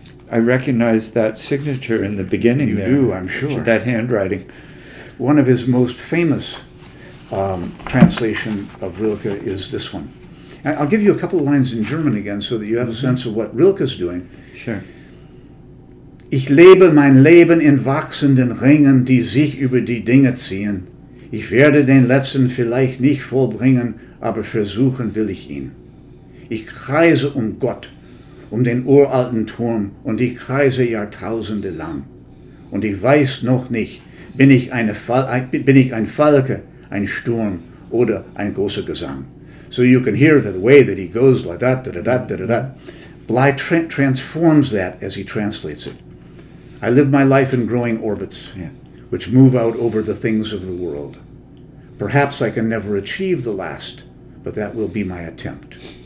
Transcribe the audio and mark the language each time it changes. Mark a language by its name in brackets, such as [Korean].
[English] I recognize that signature in the beginning. You there. Do, I'm sure. That handwriting. One of his most famous translation of Rilke is this one. I'll give you a couple of lines in German again so that you have mm-hmm. a sense of what Rilke's doing. Sure. [German] Ich lebe mein Leben in wachsenden Ringen, die sich über die Dinge ziehen. Ich werde den letzten vielleicht nicht vollbringen, aber versuchen will ich ihn. Ich kreise Gott, den uralten Turm, und ich kreise Jahrtausende lang. Und ich weiß noch nicht, bin ich ein Falke, ein Sturm, oder ein großer Gesang. [English] So you can hear the way that he goes, like that, da-da-da-da-da-da. Bly transforms that as he translates it. I live my life in growing orbits, yeah. which move out over the things of the world. Perhaps I can never achieve the last, but that will be my attempt.